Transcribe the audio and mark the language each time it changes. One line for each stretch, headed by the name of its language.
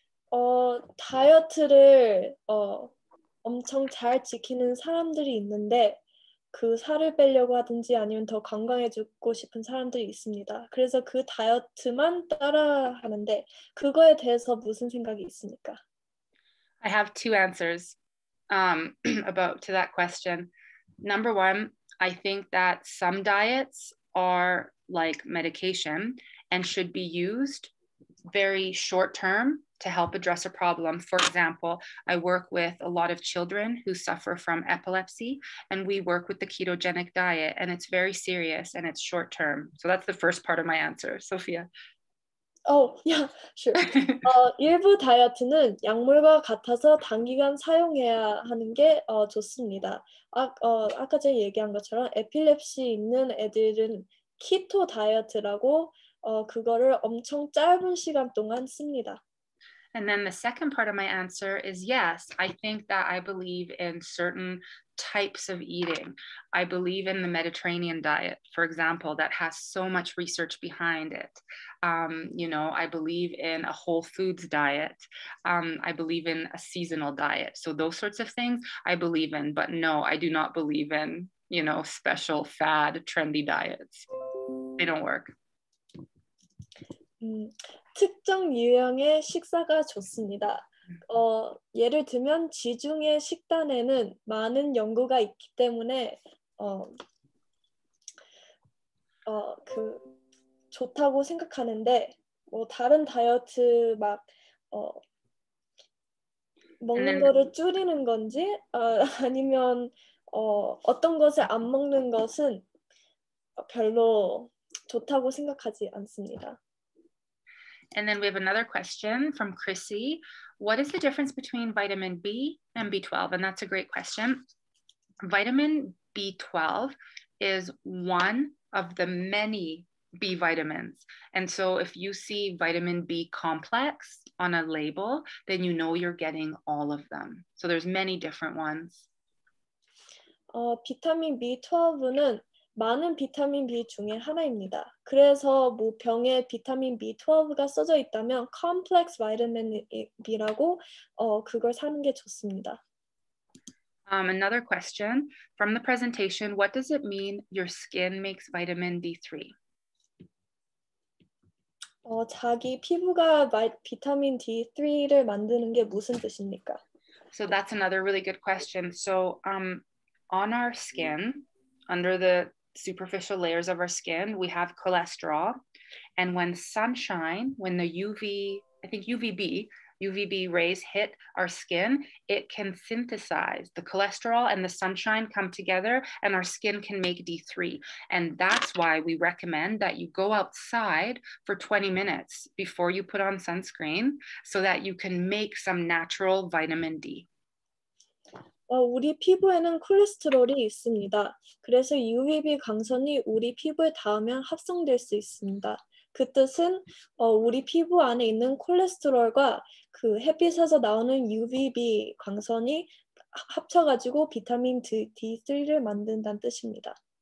Korean: 다이어트를 엄청 잘 지키는 사람들이 있는데 그 살을 빼려고 하든지 아니면 더 건강해지고 싶은 사람들이 있습니다. 그래서 그 다이어트만 따라하는데 그거에 대해서 무슨 생각이 있습니까?
English: I have two answers about to that question. Number one, I think that some diets are like medication and should be used very short term to help address a problem. For example, I work with a lot of children who suffer from epilepsy, and we work with the ketogenic diet, and it's very serious and it's short term. So that's the first part of my answer, Sophia. Oh, yeah, sure.
Korean: 일부 다이어트는 약물과 같아서 단기간 사용해야 하는 게 좋습니다. 아까 제가 얘기한 것처럼 에필렙시 있는 애들은 키토 다이어트라고 그거를 엄청 짧은 시간 동안 씁니다.
English: And then the second part of my answer is yes, I think that I believe in certain types of eating. I believe in the Mediterranean diet, for example, that has so much research behind it. You know, I believe in a whole foods diet. I believe in a seasonal diet. So those sorts of things I believe in, but no, I do not believe in, you know, special fad trendy diets. They don't work.
Korean: 특정 유형의 식사가 좋습니다. 예를 들면 지중해 식단에는 많은 연구가 있기 때문에 그 좋다고 생각하는데 뭐 다른 다이어트 막 먹는 거를 줄이는 건지 아니면 어떤 것을 안 먹는 것은 별로 좋다고 생각하지 않습니다.
English: And then we have another question from Chrissy. What is the difference between vitamin B and B12? And that's a great question. Vitamin B12 is one of the many B vitamins. And so if you see vitamin B complex on a label, then you know you're getting all of them. So there's many different ones.
Korean: 비타민 B12는 많은 비타민 B 중에 하나입니다. 그래서 뭐 병에 비타민 B12가 써져 있다면 complex vitamin B라고 그걸 사는 게 좋습니다.
English: Another question from the presentation. What does it mean your skin makes vitamin D3?
Korean: 자기 피부가 비타민 D3를 만드는 게 무슨 뜻입니까?
English: So that's another really good question. So on our skin, under the superficial layers of our skin, we have cholesterol. And when sunshine, when the UVB rays hit our skin, it can synthesize. The cholesterol and the sunshine come together and our skin can make D3. And that's why we recommend that you go outside for 20 minutes before you put on sunscreen so that you can make some natural vitamin D.
Korean: 우리 피부에는 콜레스테롤이 있습니다. 그래서 UVB 광선이 우리 피부에 닿으면 합성될 수 있습니다. 그 뜻은 우리 피부 안에 있는 콜레스테롤과 그 햇빛에서 나오는 UVB 광선이 합쳐가지고 비타민 D3를 만든다는 뜻입니다.